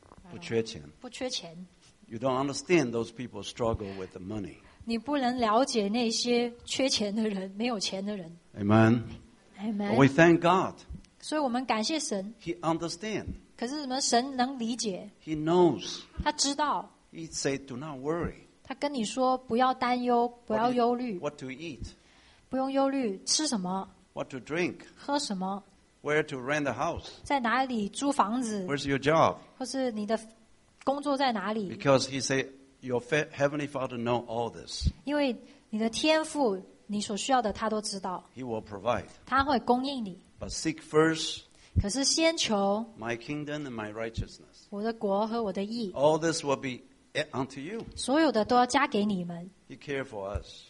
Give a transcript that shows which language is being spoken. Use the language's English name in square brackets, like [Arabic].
[Chinese] 不缺钱 [English] You don't understand those people struggle with the money [Chinese] 你不能了解那些缺钱的人没有钱的人 [English] Amen, Amen. We thank God [Chinese] 所以我们感谢神 [English] He understands [Chinese] 可是什么神能理解 [English] He knows [Chinese] 他知道 [English] He said do not worry [Chinese] 他跟你说不要担忧不要忧虑 [English] What to eat [Chinese] 不用忧虑吃什么 [English] What to drink [Chinese] 喝什么 [English] Where to rent a house [Chinese] 在哪里租房子 [English] Where's your job [Chinese] 或是你的工作在哪里 [English] Because he said your heavenly father knows all this [Chinese] 因为你的天父你所需要的他都知道 [English] He will provide [Chinese] 他会供应你 [English] But seek first [Chinese] 可是先求 [English] My kingdom and my righteousness [Chinese] 我的国和我的义 [English] All this will beUnto you. [Chinese] 所有的都要加给你们。 [English] He cares for us.